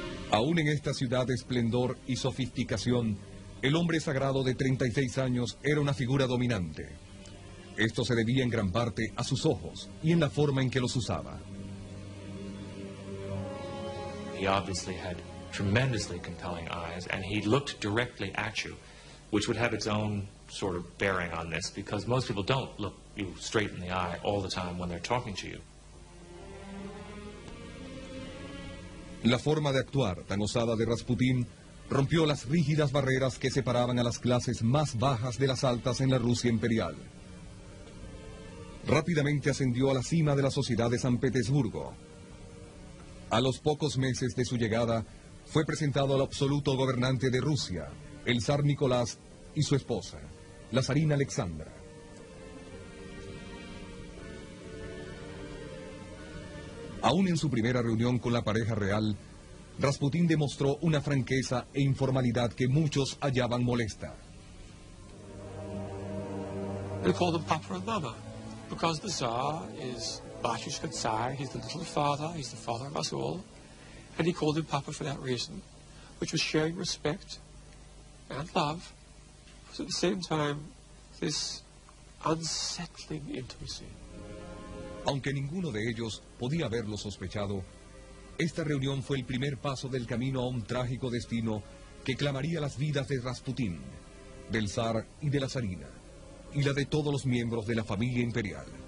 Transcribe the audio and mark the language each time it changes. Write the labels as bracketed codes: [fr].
[es] Aún en esta ciudad de esplendor y sofisticación, el hombre sagrado de 36 años era una figura dominante. Esto se debía en gran parte a sus ojos y en la forma en que los usaba. [en] He obviously had tremendously compelling eyes, and he looked directly at you, which would have its own sort of bearing on this, because most people don't look you straight in the eye all the time when they're talking to you. [es] La forma de actuar tan osada de Rasputín rompió las rígidas barreras que separaban a las clases más bajas de las altas en la Rusia imperial. Rápidamente ascendió a la cima de la sociedad de San Petersburgo. A los pocos meses de su llegada, fue presentado al absoluto gobernante de Rusia, el zar Nicolás, y su esposa, la zarina Alexandra. Aún en su primera reunión con la pareja real, Rasputín demostró una franqueza e informalidad que muchos hallaban molesta. [en] They call him Papa and Mama, because the Tsar is Bashushka Tsar, he's the little father, he's the father of us all, and he called him Papa for that reason, which was sharing respect and love, but at the same time, this unsettling intimacy. [es] Aunque ninguno de ellos podía haberlo sospechado, esta reunión fue el primer paso del camino a un trágico destino que clamaría las vidas de Rasputín, del zar y de la zarina, y la de todos los miembros de la familia imperial.